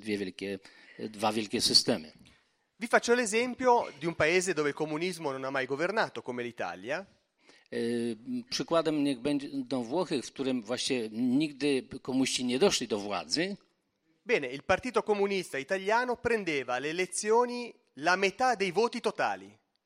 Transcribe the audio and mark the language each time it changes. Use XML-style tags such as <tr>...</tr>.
<pl>przez te dwa wielkie systemy.</pl> <it>Vi faccio l'esempio di un paese dove il comunismo non ha mai governato, come l'Italia.</it> <pl>Przykładem niech będą Włochy, w którym właśnie nigdy komuniści nie doszli do władzy.</pl> <it>Bene, il partito comunista italiano prendeva le elezioni la metà dei voti totali.</it>